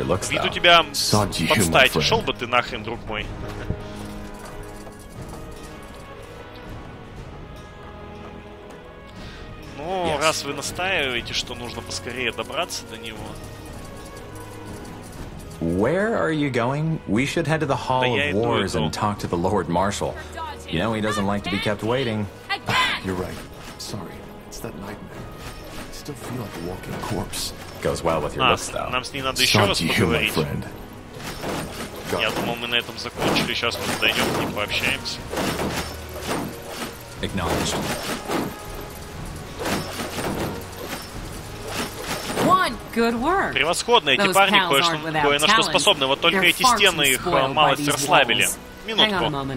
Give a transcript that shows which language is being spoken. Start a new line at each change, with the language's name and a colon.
Russian: Вид у тебя подстать. Шел бы ты нахрен, друг мой. Ну, раз вы настаиваете, что нужно поскорее добраться до него...
English: Where are you going? We should head to the Hall of Wars and talk to the Lord Marshal. You know he doesn't like to be kept waiting. You're right. Sorry. It's that nightmare. I still feel like a walking corpse. Goes well with your looks, though.
Russian: Нам с ней надо еще раз поговорить. Я думал, мы на этом закончили. Сейчас мы подойдем и пообщаемся.
English: Acknowledged.
Russian: Превосходно, эти парни кое-на-что способны, вот только эти стены их малость расслабили. Минутку.